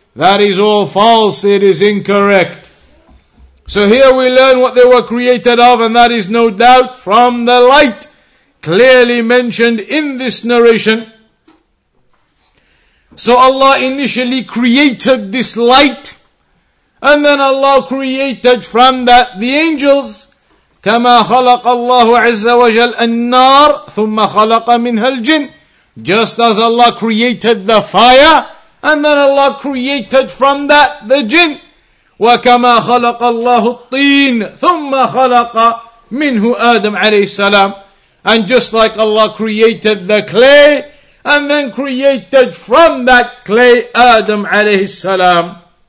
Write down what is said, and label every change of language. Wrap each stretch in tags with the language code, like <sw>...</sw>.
<en>That is all false, it is incorrect. So here we learn what they were created of, and that is no doubt from the light, clearly mentioned in this narration. So Allah initially created this light, and then Allah created from that the angels.</en> <ar>كما خلق الله عز وجل النار ثم خلق منها الجن.</ar> <en>Just as Allah created the fire, and then Allah created from that the jinn.</en> <ar>وكما خلق الله الطين ثم خلق منه آدم عليه السلام.</ar> <en>And just like Allah created the clay, and then created from that clay Adam عليه السلام.</en>